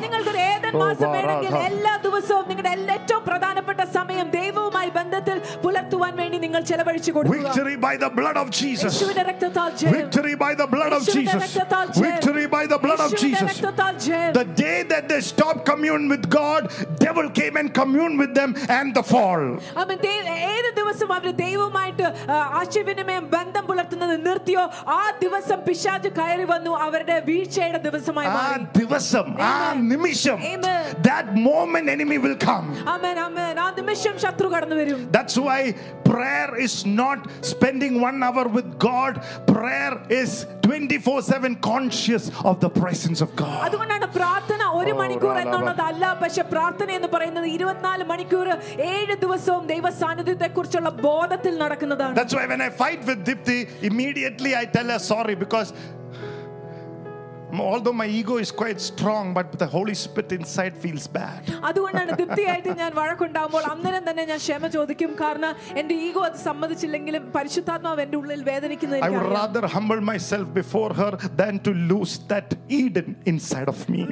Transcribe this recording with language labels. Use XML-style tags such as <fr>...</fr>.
<en>Victory by the blood of Jesus. Victory by the blood of Jesus. Victory by the blood of Jesus. The day that they stopped commune with God, devil came and communed with them and the fall. Amen.</en> <ml>ഏതു ദിവസം അവർ ദൈവവുമായിട്ട് ആശയവിനിമയം ബന്ധം പുലർത്തുന്നത് നിർത്തിയോ ആ ദിവസം പിശാച് കയറി വന്നു അവരുടെ വീഴ്ചയുടെ ദിവസമായി മാറി. ആ ദിവസം ആ നിമിഷം</ml> <en>that moment enemy will come.</en> <ml>Amen. Amen. ആ നിമിഷം ശത്രു കടന്നു വരും.</ml> <en>That's why prayer is not spending 1 hour with God. Prayer is 24/7 conscious of the presence of God.</en> <ml>അതുകൊണ്ടാണ് പ്രാർത്ഥന ഒരു മണിക്കൂർ എന്നുള്ളതല്ല, പക്ഷെ പ്രാർത്ഥന എന്ന് പറയുന്നത് 24 മണിക്കൂർ 7 ദിവസവും ദൈവസാന്നിധ്യത്തെ കുറിച്ചുള്ള ബോധത്തിൽ നടക്കുന്നതാണ്.</ml> <en>That's why when I fight with Dipti, immediately I tell her sorry, because although my ego is quite strong, but the Holy Spirit inside feels bad.</en> <ml>അതുകൊണ്ടാണ് ദീപ്തി ആയിട്ട് ഞാൻ വഴക്കുണ്ടാകുമ്പോൾ അന്നേരം തന്നെ ഞാൻ ക്ഷമ ചോദിക്കും. കാരണം എന്റെ ഈഗോ അത് സമ്മതിച്ചില്ലെങ്കിലും പരിശുദ്ധാത്മാവ് എന്റെ ഉള്ളിൽ വേദനിക്കുന്നതിനെ</ml> <en>I would rather humble myself before her than to lose that Eden inside of me.</en>